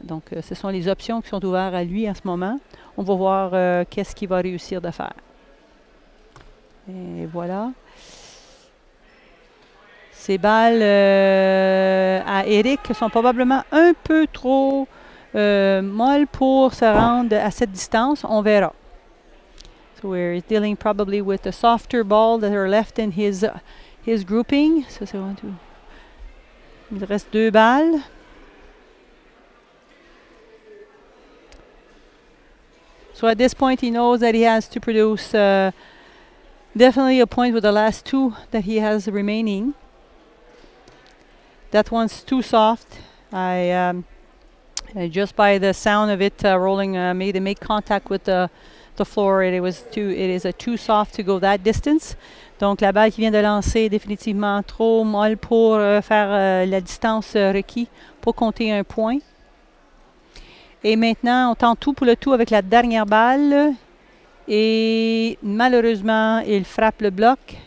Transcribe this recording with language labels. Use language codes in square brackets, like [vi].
[fr] Donc, ce sont les options qui sont ouvertes à lui en ce moment. On va voir qu'est-ce qu'il va réussir de faire. Et voilà. Ces balles à Éric sont probablement un peu trop molles pour se rendre à cette distance. On verra. [en] So we're dealing probably with the softer ball that are left in his grouping. So [fr] c'est 1, 2. Il reste 2 balles. [en] So at this point, he knows that he has to produce definitely a point with the last 2 that he has remaining. That one's too soft. I just by the sound of it rolling, made it make contact with the floor. It is too soft to go that distance. [fr] Donc la balle qui vient de lancer est définitivement trop molle pour faire la distance requise pour compter 1 point. Et maintenant, on tente tout pour le tout avec la dernière balle. Et malheureusement, il frappe le bloc.